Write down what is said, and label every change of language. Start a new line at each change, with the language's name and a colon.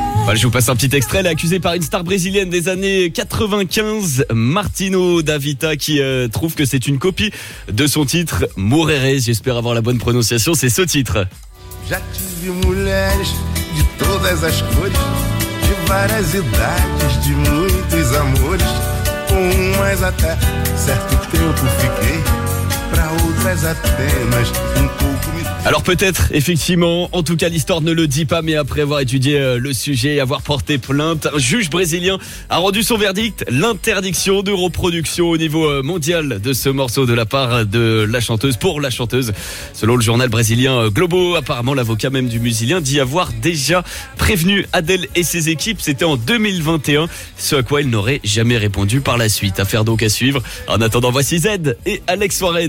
French: Voilà, je vous passe un petit extrait. Elle est accusée par une star brésilienne des années 95, Martino da Vita, qui trouve que c'est une copie de son titre « Mureres ». J'espère avoir la bonne prononciation, c'est ce titre.
Portuguese: Já tive mulheres de todas as cores, de várias idades, de muitos amores. Com umas até certo tempo fiquei, pra outras apenas um pouco me...
French: Alors peut-être, effectivement, en tout cas l'histoire ne le dit pas, mais après avoir étudié le sujet et avoir porté plainte, un juge brésilien a rendu son verdict, l'interdiction de reproduction au niveau mondial de ce morceau de la part de la chanteuse, pour la chanteuse. Selon le journal brésilien Globo, apparemment l'avocat même du musicien dit avoir déjà prévenu Adèle et ses équipes, c'était en 2021, ce à quoi elle n'aurait jamais répondu par la suite. Affaire donc à suivre. En attendant, voici Zed et Alex Warren.